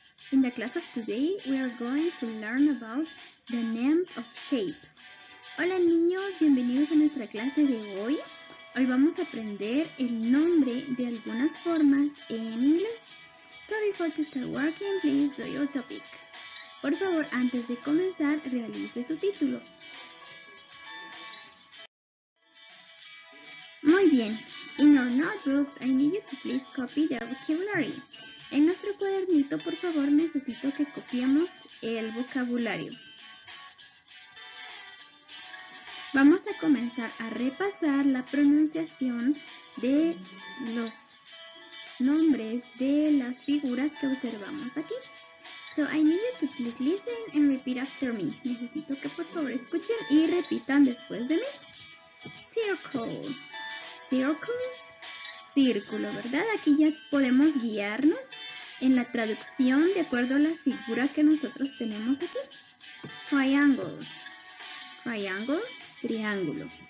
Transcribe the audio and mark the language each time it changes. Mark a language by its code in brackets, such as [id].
[en] In the class of today, we are going to learn about the names of shapes. [es] Hola, niños. Bienvenidos a nuestra clase de hoy. Hoy vamos a aprender el nombre de algunas formas en inglés. [en] So before to start working, please do your topic. [es] Por favor, antes de comenzar, realice su título. Muy bien. [en] In our notebooks, I need you to please copy the vocabulary. [es] En nuestro cuadernito, por favor, necesito que copiemos el vocabulario. Vamos a comenzar a repasar la pronunciación de los nombres de las figuras que observamos aquí. [en] So, I need you to please listen and repeat after me. [es] Necesito que, por favor, escuchen y repitan después de mí. Circle. Circle, círculo, ¿verdad? Aquí ya podemos guiarnos en la traducción de acuerdo a la figura que nosotros tenemos aquí. [en] Triangle, triangle, triángulo.